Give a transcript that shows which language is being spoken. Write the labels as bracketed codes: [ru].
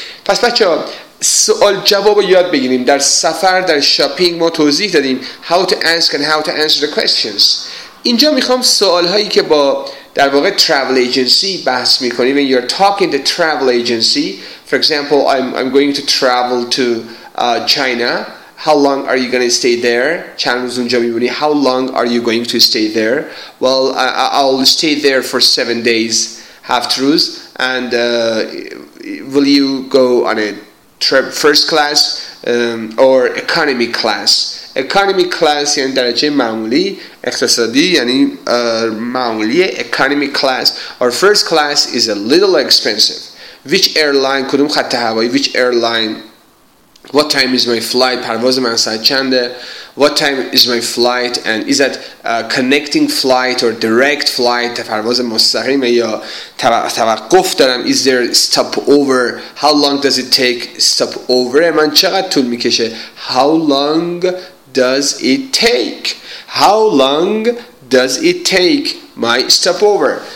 [fa] پس بچه ها, سوال جواب رو یاد بگیریم. در سفر, در شاپینگ ما توضیح دادیم [en] how to ask and how to answer the questions. [fa] اینجا میخوام سوال هایی که با در واقع travel agency بحث میکنی. [en] When you're talking to travel agency, for example, I'm going to travel to China. How long are you going to stay there? [fa] چند روز اونجا میمونی. [en] How long are you going to stay there? Well, I'll stay there for 7 days, [fa] هفت روز. [en] And will you go on a first class or economy class? [fa] Economy class یعنی درجه معمولی، اقتصادی یعنی معمولی. [en] Economy class or first class is a little expensive. Which airline, [fa] کدوم خط هوایی, [en] which airline, what time is my flight, [fa] پرواز من ساعت چنده, [en] what time is my flight, and is that a connecting flight or direct flight, [fa] پرواز مستقیمه یا توقف دارم, [en] is there stop over, how long does it take stop over, [fa] من چقدر طول میکشه, [en] how long does it take, how long does it take my stopover.